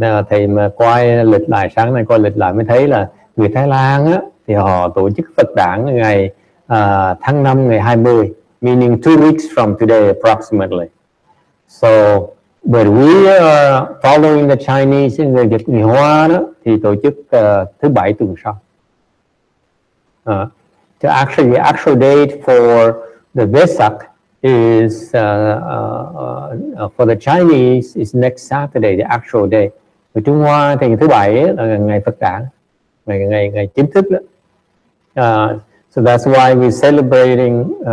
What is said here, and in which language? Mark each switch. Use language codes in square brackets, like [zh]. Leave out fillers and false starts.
[vi] Thầy mà coi lịch lại sáng nay coi lịch lại mới thấy là người Thái Lan á thì họ tổ chức Phật Đản ngày tháng 5 ngày 20, [en] meaning 2 weeks from today approximately. So but we are following the Chinese in the [vi] Người Hoa đó, thì tổ chức thứ bảy tuần sau. [en] So actually the actual date for the Vesak is for the Chinese is next Saturday, the actual day. [vi] Người Trung Hoa thì thứ bảy là ngày Phật Đản, ngày chính thức đó. [en] So that's why we're celebrating